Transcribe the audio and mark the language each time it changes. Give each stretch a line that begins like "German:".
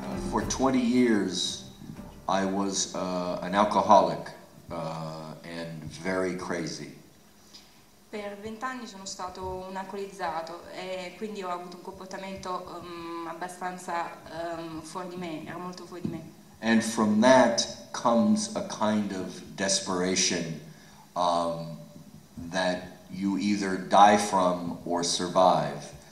English: For 20 years, I was an alcoholic and very crazy.
Italian: Per 20 anni sono stato un alcolizzato e quindi ho avuto un comportamento abbastanza fuori di me, era molto fuori di me.
English: And from that comes a kind of desperation that you either die from or survive.